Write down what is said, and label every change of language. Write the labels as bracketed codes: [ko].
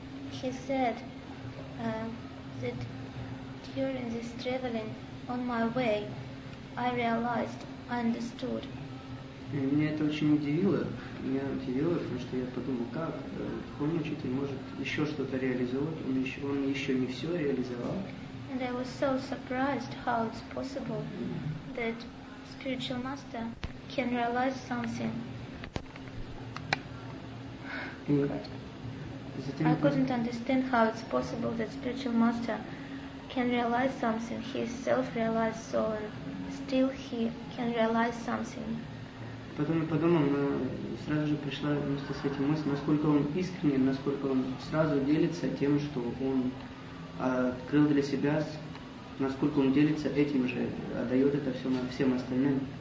[en] He said that during this traveling on my way, I realized, I understood. [ru] И меня это очень удивило. Меня удивило, потому что я подумал, как духовный учитель может еще что-то реализовать, он еще не все реализовал. [en] And I was so surprised how it's possible that spiritual master can realize something. I couldn't understand how it's possible that spiritual master can realize something. He is self-realized soul, and still he can realize something. [ru] Потом я подумал, сразу же пришла вместе с этим мысль, насколько он искренен, насколько он сразу делится тем, что он открыл для себя. Насколько он делится этим же, отдает это все всем остальным.